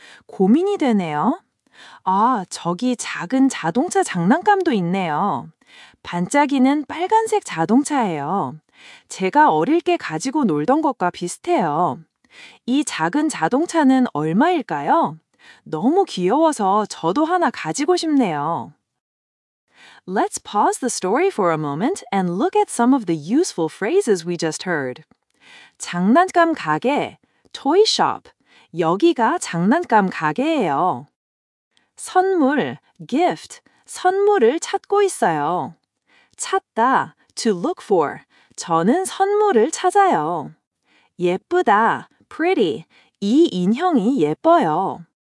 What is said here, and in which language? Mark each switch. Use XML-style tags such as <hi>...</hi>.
<ko>고민이 되네요. 아, 저기 작은 자동차 장난감도 있네요. 반짝이는 빨간색 자동차예요. 제가 어릴 때 가지고 놀던 것과 비슷해요. 이 작은 자동차는 얼마일까요? 너무 귀여워서 저도 하나 가지고 싶네요.</ko> <en>Let's pause the story for a moment and look at some of the useful phrases we just heard.</en> <ko>장난감 가게,</ko> <en>toy shop.</en> <ko>여기가 장난감 가게예요. 선물, gift, 선물을 찾고 있어요. 찾다,</ko> <en>to look for,</en> <ko>저는 선물을 찾아요. 예쁘다, pretty, 이 인형이 예뻐요.</ko>